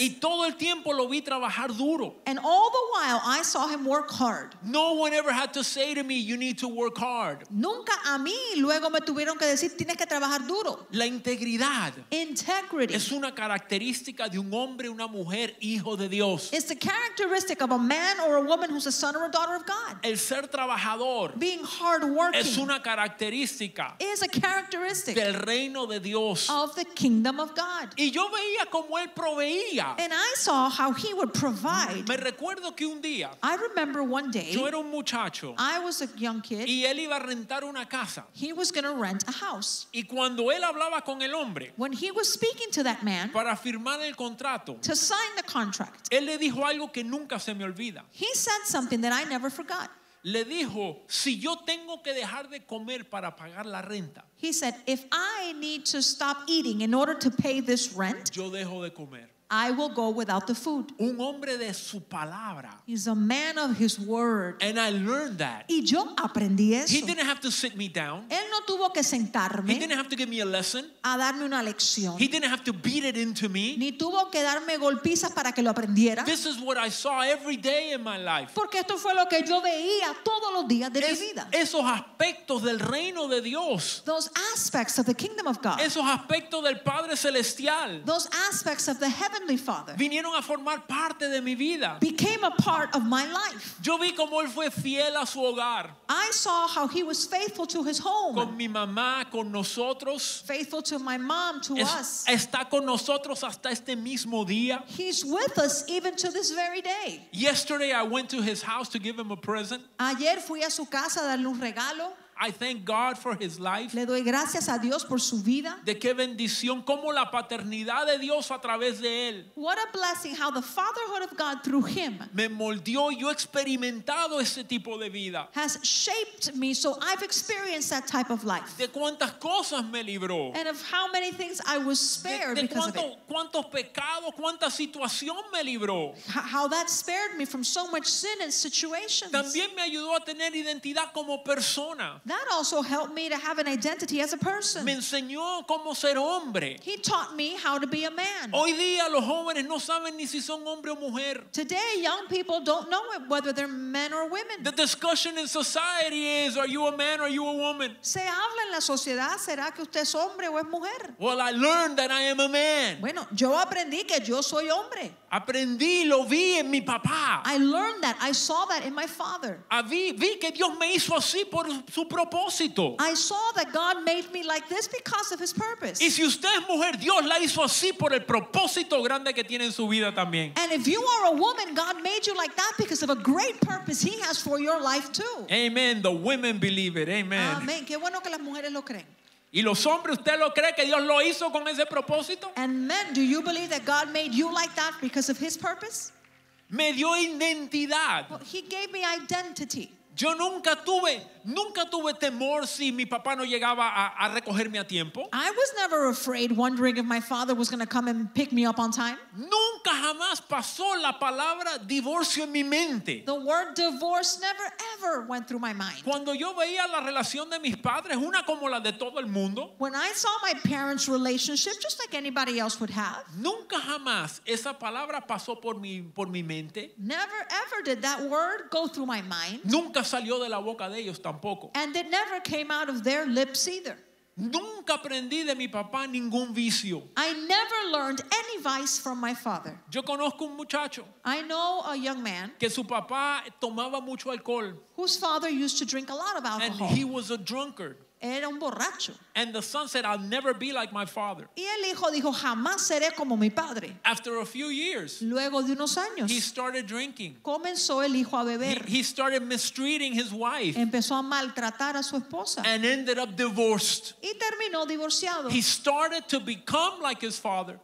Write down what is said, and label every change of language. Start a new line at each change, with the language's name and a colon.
Spanish: Y todo el tiempo lo vi trabajar duro.
English: And all the while I saw him work hard. No one ever had to say to me, you need to work hard.
Spanish: Nunca a mí luego me tuvieron que decir, tienes que trabajar duro. La integridad.
English: Integrity.
Spanish: Es una característica de un hombre, una mujer, hijo de Dios.
English: It's the characteristic of a man or a woman who's a son or a daughter of God.
Spanish: El ser trabajador,
English: being hardworking,
Spanish: es una característica,
English: is a characteristic
Spanish: del reino de Dios,
English: of the kingdom of God.
Spanish: Y yo veía cómo él proveía.
English: And I saw how he would provide.
Spanish: Me recuerdo que un día,
English: I remember one day,
Spanish: yo era un muchacho,
English: I was a young kid,
Spanish: y él iba a rentar una casa.
English: He was going to rent a house.
Spanish: Y cuando él hablaba con el hombre,
English: when he was speaking to that man,
Spanish: para firmar el contrato.
English: To sign the contract.
Spanish: Él le dijo algo que nunca se me olvida.
English: He said something that I never forgot.
Spanish: Le dijo, si yo tengo que dejar de comer para pagar la renta.
English: He said, if I need to stop eating in order to pay this rent.
Spanish: Yo dejo de comer.
English: I will go without the food.
Spanish: Un hombre de su palabra.
English: He's a man of his word. And I learned that.
Spanish: Y yo aprendí eso.
English: He didn't have to sit me down.
Spanish: Él no tuvo que sentarme.
English: He didn't have to give me a lesson.
Spanish: A darme una lección.
English: He didn't have to beat it into me.
Spanish: Ni tuvo que darme golpizas para que lo aprendiera.
English: This is what I saw every day in my life.
Spanish: Porque esto fue lo que yo veía todos los días de mi vida. Esos aspectos del reino de Dios.
English: Those aspects of the kingdom of God.
Spanish: Esos aspectos del Padre Celestial.
English: Those aspects of the heavenly Father,
Spanish: vinieron a formar parte de mi vida.
English: Became a part of my life.
Spanish: Yo vi cómo él fue fiel a su hogar.
English: I saw how he was faithful to his home.
Spanish: Con mi mamá, con nosotros.
English: Faithful to my mom, to us.
Spanish: Está con nosotros hasta este mismo día.
English: He's with us even to this very day. Yesterday I went to his house to give him a present.
Spanish: Ayer fui a su casa a darle un regalo.
English: I thank God for his life.
Spanish: Le doy gracias a Dios por su vida. De qué bendición, cómo la paternidad de Dios a través de él.
English: What a blessing, how the fatherhood of God through him.
Spanish: Me moldeó, yo he experimentado ese tipo de vida.
English: Has shaped me, so I've experienced that type of life.
Spanish: De cuántas cosas me libró.
English: And of how many things I was spared because of it.
Spanish: De cuántos pecados, cuánta situación me libró.
English: How that spared me from so much sin and situations.
Spanish: También me ayudó a tener identidad como persona.
English: That also helped me to have an identity as a person.
Spanish: Me enseñó cómo ser hombre.
English: He taught me how to be a man.
Spanish: Hoy día los jóvenes no saben ni si son hombre o mujer.
English: Today, young people don't know whether they're men or women. The discussion in society is, are you a man or are you a woman?
Spanish: Se habla en la sociedad, ¿será que usted es hombre o es mujer?
English: Well, I learned that I am a man.
Spanish: Bueno, yo aprendí que yo soy hombre. Aprendí, lo vi en mi papá.
English: I learned that. I saw that in my father.
Spanish: Vi que Dios me hizo así por su propósito.
English: I saw that God made me like this because of his purpose.
Spanish: Y si usted es mujer, Dios la hizo así por el propósito grande que tiene en su vida también.
English: And if you are a woman, God made you like that because of a great purpose he has for your life too. Amen. The women believe it. Amen.
Spanish: Amen. Qué bueno que las mujeres lo creen. ¿Y los hombres, usted lo cree que Dios lo hizo con ese propósito?
English: And men, do you believe that God made you like that because of his purpose?
Spanish: Me dio identidad.
English: Well, he gave me identity.
Spanish: Yo nunca tuve temor si mi papá no llegaba a recogerme a tiempo.
English: I was never afraid wondering if my father was going to come and pick me up on time.
Spanish: Nunca jamás pasó la palabra divorcio en mi mente.
English: The word divorce never ever went through my mind.
Spanish: Cuando yo veía la relación de mis padres, una como la de todo el mundo.
English: When I saw my parents' relationship just like anybody else would have.
Spanish: Nunca jamás esa palabra pasó por mi mente.
English: Never ever did that word go through my mind.
Spanish: Nunca salió de la boca de ellos tampoco.
English: And it never came out of their lips either.
Spanish: Nunca aprendí de mi papá ningún vicio.
English: I never learned any vice from my father.
Spanish: Yo conozco un muchacho.
English: I know a young man.
Spanish: Que su papá tomaba mucho alcohol.
English: Whose father used to drink a lot of alcohol. And he was a drunkard.
Spanish: Era un borracho.
English: And the son said, I'll never be like my father.
Spanish: Y el hijo dijo, jamás seré como mi padre.
English: After a few years,
Spanish: luego de unos años,
English: he started drinking.
Spanish: Comenzó el hijo a beber.
English: He started mistreating his wife.
Spanish: Empezó a maltratar a su esposa.
English: And ended up divorced.
Spanish: Y terminó divorciado.
English: He started to become like his father.